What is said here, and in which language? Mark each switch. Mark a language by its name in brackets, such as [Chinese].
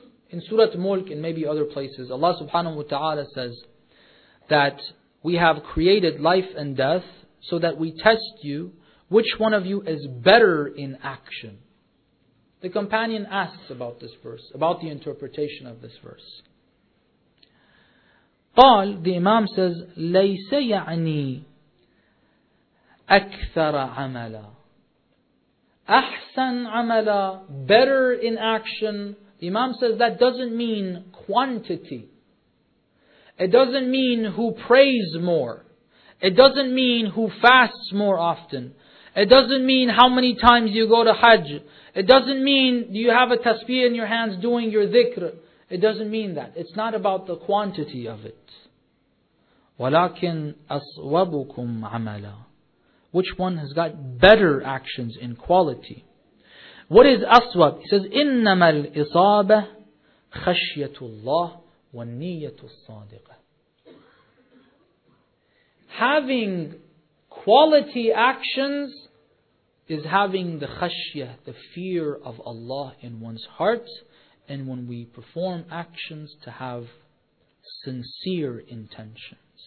[English] In Surah Mulk and maybe other places, Allah subhanahu wa ta'ala says that we have created life and death so that we test you, which one of you is better in action. The companion asks about this verse, about the interpretation of this verse. [Arabic] قال, [English] the Imam says, [Arabic] ليس يعني أكثر عملا أحسن عملا, [English] better in action. The Imam says that doesn't mean quantity. It doesn't mean who prays more. It doesn't mean who fasts more often. It doesn't mean how many times you go to Hajj. It doesn't mean do you have a tasbih in your hands doing your dhikr. It doesn't mean that. It's not about the quantity of it. [Arabic] وَلَكِنْ أَصْوَبُكُمْ عَمَلًا. [English] Which one has got better actions in quality? What is aswab? He says, [Arabic] إِنَّمَا الْإِصَابَةِ خَشْيَةُ اللَّهِ وَالنِّيَّةُ الصَّادِقَةِ. [English] Having quality actions is having the khashyah, the fear of Allah in one's heart, and when we perform actions to have sincere intentions.